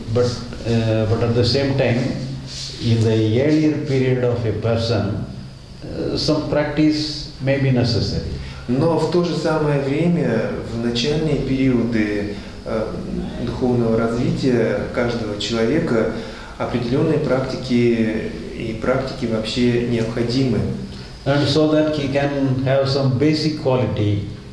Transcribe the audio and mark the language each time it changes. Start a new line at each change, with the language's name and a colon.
English: But at the same time, in the earlier period of a person, some practice may be necessary.
Russian: Но в то же самое время, в начальные периоды духовного развития каждого человека, определенные практики и практики вообще необходимы.
English: And so that he can have some basic quality.